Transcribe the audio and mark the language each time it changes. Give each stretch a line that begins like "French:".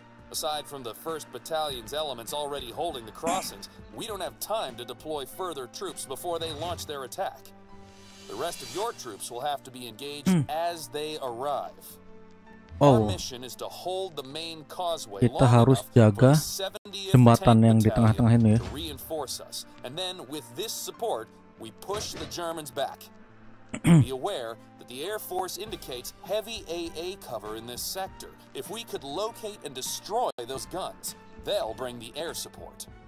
English: Aside from the 1st Battalion's elements already holding the crossings, we don't have time to deploy further troops before they launch their attack. The rest of your troops will have to be engaged as they arrive. Oh. Our mission is to hold the main causeway.
Indonesian: Kita harus jaga jembatan yang di tengah-tengah ini ya.
English: To reinforce us. And then with this support, we push the Germans back. Be aware that the Air Force indicates heavy AA cover in this sector. If we could locate and destroy those guns, they'll bring the air support.